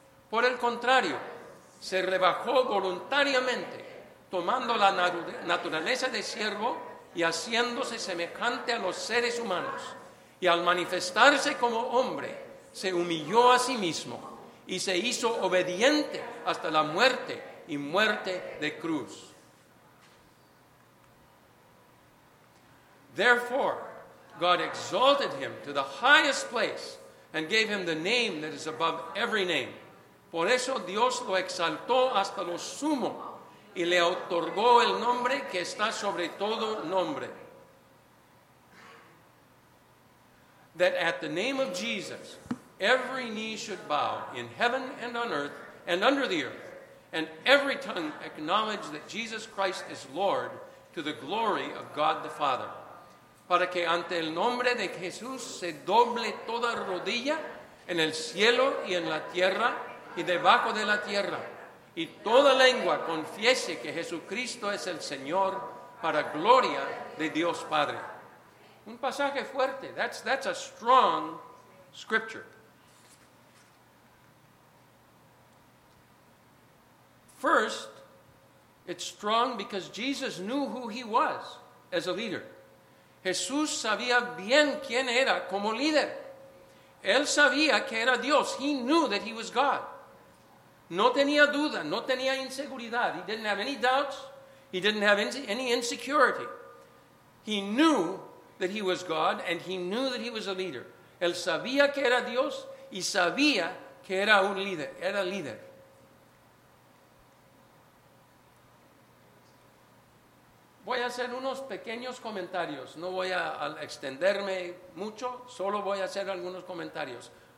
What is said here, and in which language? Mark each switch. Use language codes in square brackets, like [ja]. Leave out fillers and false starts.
[es] Por el contrario, se rebajó voluntariamente, tomando la naturaleza de siervo y haciéndose semejante a los seres humanos. Y al manifestarse como hombre, se humilló a sí mismo y se hizo obediente hasta la muerte y muerte de cruz. [en] Therefore, God exalted him to the highest place and gave him the name that is above every name. [es] Por eso Dios lo exaltó hasta lo sumo y le otorgó el nombre que está sobre todo nombre. [en] That at the name of Jesus, every knee should bow in heaven and on earth and under the earth, and every tongue acknowledge that Jesus Christ is Lord to the glory of God the Father. [es] Para que ante el nombre de Jesús se doble toda rodilla en el cielo y en la tierra y debajo de la tierra, y toda lengua confiese que Jesucristo es el Señor para gloria de Dios Padre. Un pasaje fuerte. [en] That's a strong scripture. First, it's strong because Jesus knew who he was as a leader. [es] Jesús sabía bien quién era como líder. Él sabía que era Dios. [en] He knew that he was God. [es] No tenía duda, no tenía inseguridad. [en] He didn't have any doubts. He didn't have any insecurity. He knew that he was God, and he knew that he was a leader. [es] Él sabía que era Dios y sabía que era un líder, era líder. Voy a hacer unos pequeños comentarios. No voy a extenderme mucho, solo voy a hacer algunos comentarios.